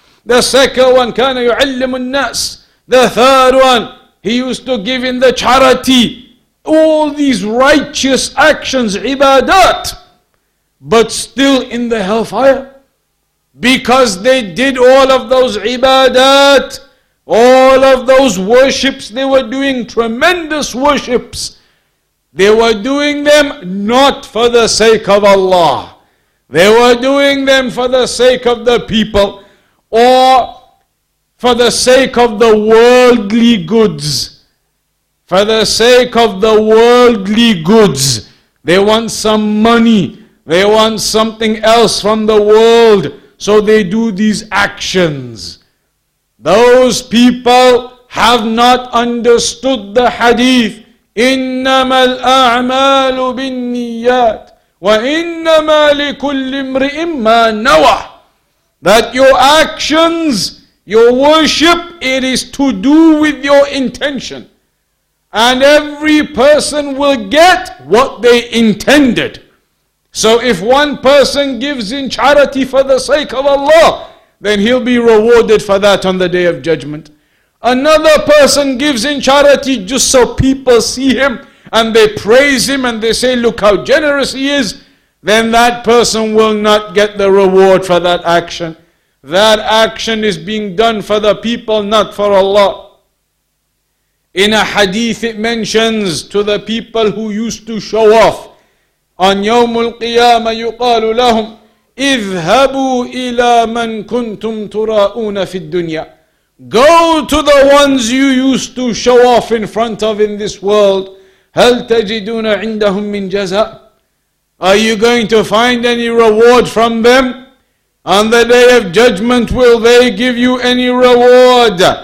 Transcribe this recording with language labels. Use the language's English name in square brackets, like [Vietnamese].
[English] The second one, [Arabic] كان يعلم الناس. [English] The third one, he used to give in the charity. All these righteous actions, ibadat, but still in the hellfire. Because they did all of those ibadat, all of those worships, they were doing tremendous worships. They were doing them not for the sake of Allah. They were doing them for the sake of the people or for the sake of the worldly goods. For the sake of the worldly goods. They want some money. They want something else from the world. So they do these actions. Those people have not understood the hadith. [Arabic] إنما الأعمال بالنيات وإنما لكل امرئ ما نوى. [English] That your actions, your worship, it is to do with your intention. And every person will get what they intended. So if one person gives in charity for the sake of Allah, then he'll be rewarded for that on the day of judgment. Another person gives in charity just so people see him and they praise him and they say, look how generous he is. Then that person will not get the reward for that action. That action is being done for the people, not for Allah. In a hadith it mentions to the people who used to show off, on [Arabic] يوم القيامة يقال لهم اذهبوا إلى من كنتم تراؤون في الدنيا. [English] Go to the ones you used to show off in front of in this world. [Arabic] هل تجدون عندهم من جزاء. [English] Are you going to find any reward from them? On the day of judgment, will they give you any reward?